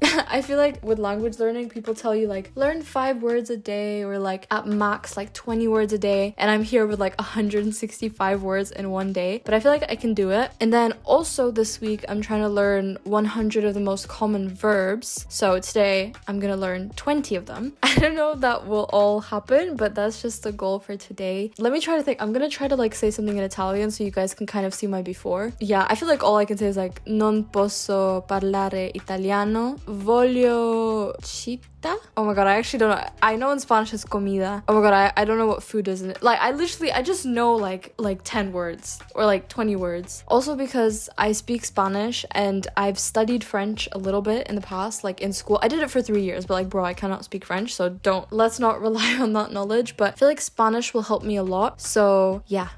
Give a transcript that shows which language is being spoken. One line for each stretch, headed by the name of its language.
English: I feel like with language learning, people tell you like learn 5 words a day, or like at max like 20 words a day, and I'm here with like 165 words in one day, but I feel like I can do it. And then also this week, I'm trying to learn 100 of the most common verbs, so today I'm gonna learn 20 of them. I don't know if that will all happen, but that's just the goal for today. Let me try to think. I'm gonna try to like say something in Italian so you guys can kind of see my before. Yeah, I feel like all I can say is like,
Italian: non posso parlare italiano, voglio città.
English: Oh my god, I actually don't know. I know in Spanish it's comida. Oh my god, I don't know what food is in it. Like, I just know like 10 words or like 20 words. Also because I speak Spanish and I've studied French a little bit in the past, like in school. I did it for 3 years, but like, bro, I cannot speak French. So let's not rely on that knowledge, but I feel like Spanish will help me a lot. So yeah.